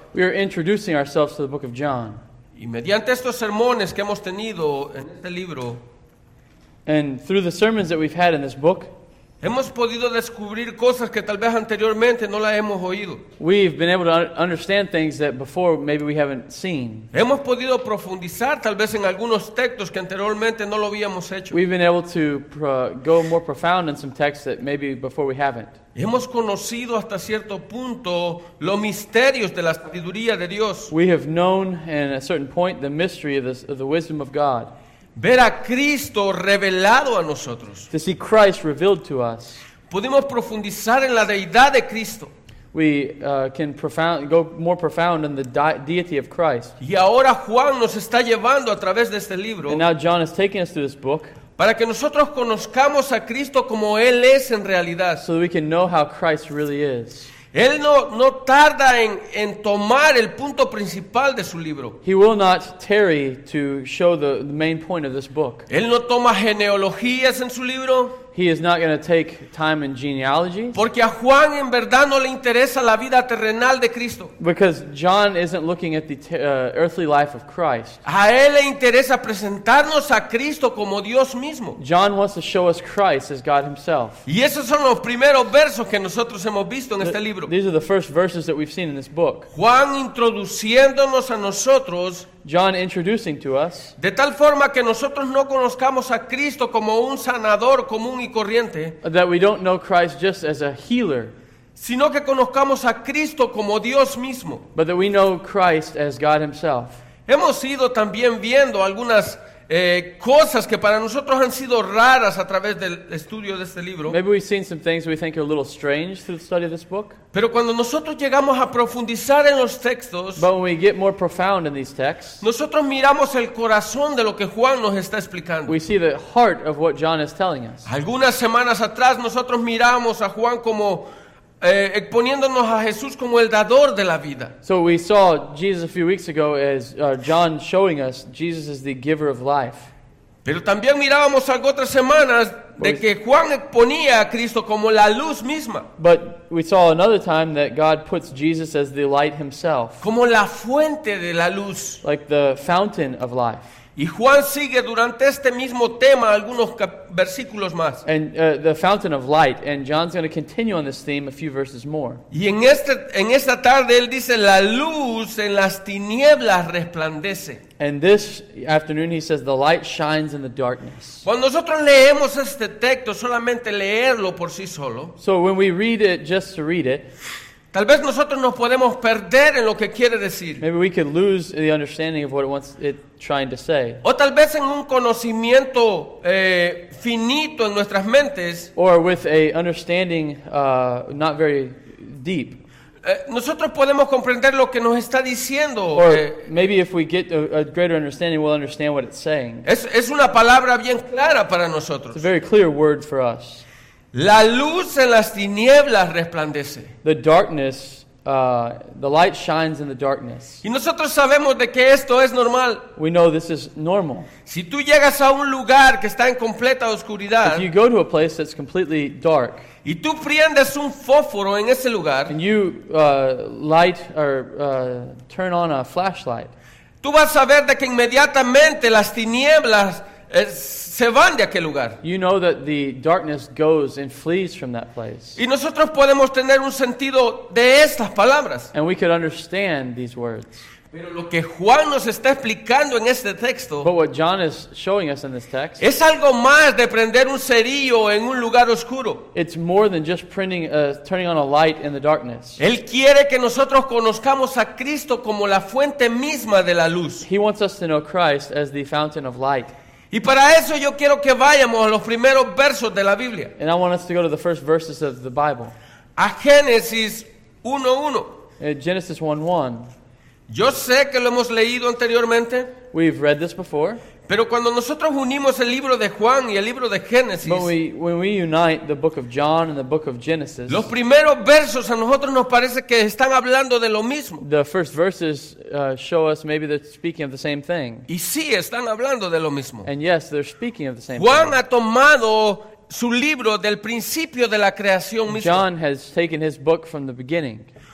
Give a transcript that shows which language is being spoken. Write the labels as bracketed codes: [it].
[en] We are introducing ourselves to the book of John. [es] Y mediante estos sermones que hemos tenido en este libro, [en] and through the sermons that we've had in this book, [es] hemos podido descubrir cosas que tal vez anteriormente no las hemos oído. [en] We've been able to understand things that before maybe we haven't seen. [es] Hemos podido profundizar tal vez en algunos textos que anteriormente no lo habíamos hecho. [en] We've been able to go more profound in some texts that maybe before we haven't. [es] Hemos conocido hasta cierto punto los misterios de la sabiduría de Dios. [en] We have known in a certain point the mystery of the wisdom of God. [es] Ver a Cristo revelado a nosotros. [en] To see Christ revealed to us. [es] Podemos profundizar en la deidad de Cristo. [en] We can go more profound in the deity of Christ. [es] Y ahora Juan nos está llevando a través de este libro. [en] And now John is taking us through this book. [es] Para que nosotros conozcamos a Cristo como Él es en realidad. [en] So that we can know how Christ really is. [es] Él no tarda en tomar el punto principal de su libro. [en] He will not tarry to show the main point of this book. [es] Él no toma genealogías en su libro. [en] He is not going to take time in genealogies. [es] Porque a Juan en verdad no le interesa la vida terrenal de Cristo. [en] Because John isn't looking at the earthly life of Christ. [es] A él le interesa presentarnos a Cristo como Dios mismo. [en] John wants to show us Christ as God himself. [es] Y esos son los primeros versos que nosotros hemos visto en este libro. [en] These are the first verses that we've seen in this book. [es] Juan introduciéndonos a nosotros. [en] John introducing to us. [es] De tal forma que nosotros no conozcamos a Cristo como un sanador común y corriente. [en] That we don't know Christ just as a healer. [es] Sino que conozcamos a Cristo como Dios mismo. [en] But that we know Christ as God himself. [es] Hemos ido también viendo algunas cosas que para nosotros han sido raras a través del estudio de este libro. [en] Maybe we've seen some things we think are a little strange through the study of this book. [es] Pero cuando nosotros llegamos a profundizar en los textos, [en] but when we get more profound in these texts, [es] nosotros miramos el corazón de lo que Juan nos está explicando. [en] We see the heart of what John is telling us. [es] Algunas semanas atrás nosotros miramos a Juan como exponiéndonos a Jesús como el dador de la vida. [en] So we saw Jesus a few weeks ago as John showing us Jesus is the giver of life. [es] Pero también mirábamos algo otras semanas de que Juan exponía a Cristo como la luz misma. [en] But we saw another time that God puts Jesus as the light himself. [es] Como la fuente de la luz. [en] Like the fountain of life. [es] Y Juan sigue durante este mismo tema algunos versículos más. [en] And the fountain of light, and John's going to continue on this theme a few verses more. [es] Y en esta tarde él dice la luz en las tinieblas resplandece. [en] And this afternoon he says the light shines in the darkness. [es] Cuando nosotros leemos este texto, solamente leerlo por sí solo. [en] So when we read it just to read it, [es] tal vez nosotros nos podemos perder en lo que quiere decir. [en] Maybe we could lose the understanding of what it wants it trying to say. [es] O tal vez en un conocimiento finito en nuestras mentes. [en] Or with a understanding not very deep. [es] Nosotros podemos comprender lo que nos está diciendo. [en] Or maybe if we get a greater understanding, we'll understand what it's saying. [es] Es una palabra bien clara para nosotros. [en] It's a very clear word for us. [es] La luz en las tinieblas resplandece. [en] The darkness, the light shines in the darkness. [es] Y nosotros sabemos de que esto es normal. [en] We know this is normal. [es] Si tú llegas a un lugar que está en completa oscuridad, [en] if you go to a place that's completely dark, [es] y tú prendes un fósforo en ese lugar, [en] and you light or turn on a flashlight, [es] tú vas a ver de que inmediatamente las tinieblas se van de aquel lugar. [en] You know that the darkness goes and flees from that place. [es] Y nosotros podemos tener un sentido de estas palabras. [en] And we could understand these words. [es] Pero lo que Juan nos está explicando en este texto, [en] but what John is showing us in this text, [es] es algo más de prender un cerillo en un lugar oscuro. [en] It's more than just printing, turning on a light in the darkness. [es] Él quiere que nosotros conozcamos a Cristo como la fuente misma de la luz. [en] He wants us to know Christ as the fountain of light. [es] Y para eso yo quiero que vayamos a los primeros versos de la Biblia. [en] And I want us to go to the first verses of the Bible. [es] A Génesis 1:1. [en] Genesis 1:1. [es] Yo sé que lo hemos leído anteriormente. [en] We've read this before. [es] Pero cuando nosotros unimos el libro de Juan y el libro de Génesis, [en] but when we unite the book of John and the book of Genesis, [es] los primeros versos a nosotros nos parece que están hablando de lo mismo. [en] The first verses show us maybe they're speaking of the same thing. [es] Y sí, están hablando de lo mismo. [en] And yes, they're speaking of the same [es] Juan [en] thing. [es] Juan ha tomado su libro del principio de la creación misma. [en] John has taken his book from the beginning.